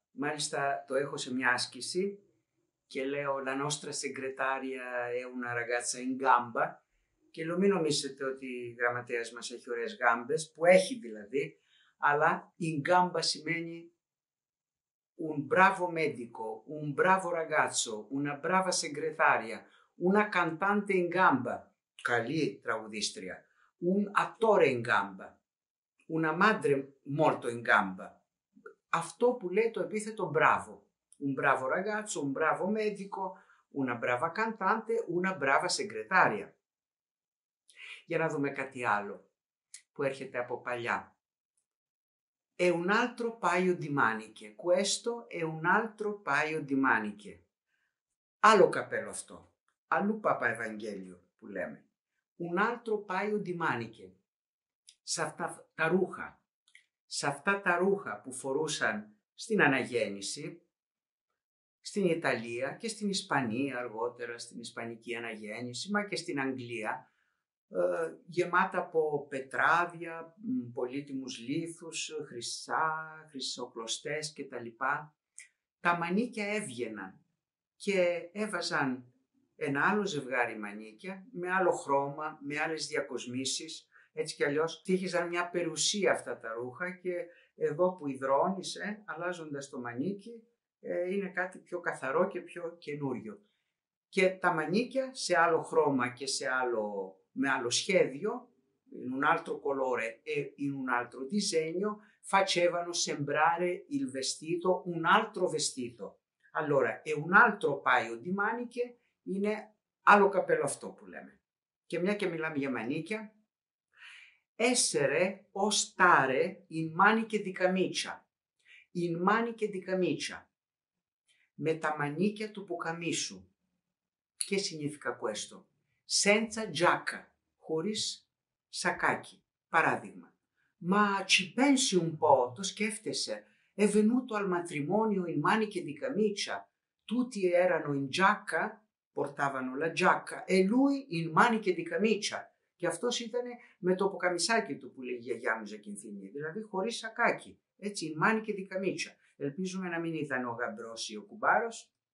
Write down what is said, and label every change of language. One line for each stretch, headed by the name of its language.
Greek: Μάλιστα το έχω σε μια άσκηση και λέω
Italian: la nostra segretaria è una ragazza in gamba
Greek: και λέω μην νομίζετε ότι η γραμματέας μας έχει ωραίες γάμπες, που έχει δηλαδή, αλλά in gamba σημαίνει
Italian: un bravo medico, un bravo ragazzo, una brava segretaria, una cantante in gamba,
Greek: καλή τραγουδίστρια,
Italian: un attore in gamba,
Greek: una madre molto in gamba. Αυτό που λέει το επίθετο bravo.
Italian: Un bravo ragazzo, un bravo medico, una brava cantante, una brava segretaria.
Greek: Για να δούμε κάτι άλλο που έρχεται από παλιά.
Italian: È un altro paio di maniche. Questo è un altro paio di maniche.
Greek: Άλλο καπέλο αυτό. Αλλού Παπα Ευαγγέλιο που λέμε.
Italian: Un altro paio di maniche.
Greek: Σε αυτά τα ρούχα. Σε αυτά τα ρούχα που φορούσαν στην Αναγέννηση, στην Ιταλία και στην Ισπανία αργότερα, στην Ισπανική Αναγέννηση, μα και στην Αγγλία, γεμάτα από πετράδια, πολύτιμους λίθους, χρυσά, χρυσοκλωστές και τα λοιπά, τα μανίκια έβγαιναν και έβαζαν ένα άλλο ζευγάρι μανίκια με άλλο χρώμα, με άλλες διακοσμήσεις, έτσι κι αλλιώς τύχιζαν μια περιουσία αυτά τα ρούχα και εδώ που υδρώνεις, αλλάζοντας το μανίκι, είναι κάτι πιο καθαρό και πιο καινούριο. Και τα μανίκια σε άλλο χρώμα και σε άλλο, με άλλο σχέδιο,
Italian: in un altro colore e in un altro disegno, facevano sembrare il vestito un altro vestito. Allora, e un altro paio di maniche
Greek: είναι άλλο καπέλο αυτό που λέμε. Και μια και μιλάμε για μανίκια,
Italian: essere o stare in maniche di camicia. In maniche di camicia.
Greek: Με τα μανίκια του πουκαμίσου. Και
Italian: significa questo. Senza giacca.
Greek: Χωρίς σακάκι. Παράδειγμα.
Italian: Ma ci pensi un po',
Greek: το σκέφτεσαι.
Italian: È venuto al matrimonio in maniche di camicia. Tutti erano in giacca, portavano la giacca, e lui in maniche di camicia.
Greek: Και αυτός ήταν με το ποκαμισάκι του που λέει η γιαγιά μου Ζακυνθινή, δηλαδή χωρίς σακάκι, έτσι,
Italian: in maniche di camicia.
Greek: Ελπίζουμε να μην ήταν ο γαμπρός ή ο κουμπάρος.